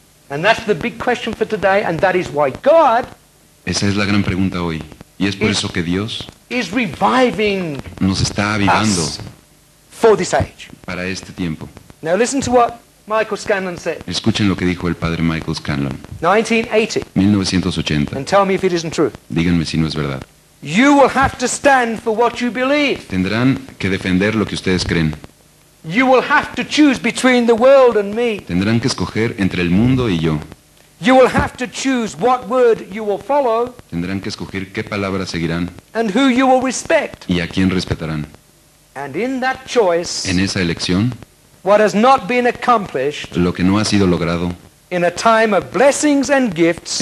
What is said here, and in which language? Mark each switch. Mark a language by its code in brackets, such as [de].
[en] And that's the big question for today, and that is why God. [es] Esa es la gran pregunta hoy, y es por eso que Dios [en] is reviving. [es] Nos está avivando. [en] For this age. [es] Para este tiempo. [en] Now listen to what Michael Scanlon said. [es] Escuchen lo que dijo el padre Michael Scanlon. [en] 1980. And tell me if it isn't true. [es] Díganme si no es verdad. [en] You will have to stand for what you believe. [es] Tendrán que defender lo que ustedes creen. [en] You will have to choose between the world and me. [es] Tendrán que escoger entre el mundo y yo. [en] You will have to choose what word you will follow. [es] Tendrán que escoger qué palabra seguirán. [en] And who you will respect. [es] Y a quién respetarán. [en] And in that choice. [es] En esa elección. [en] What has not been accomplished, [es] lo que no ha sido logrado, [en] in a time of blessings and gifts,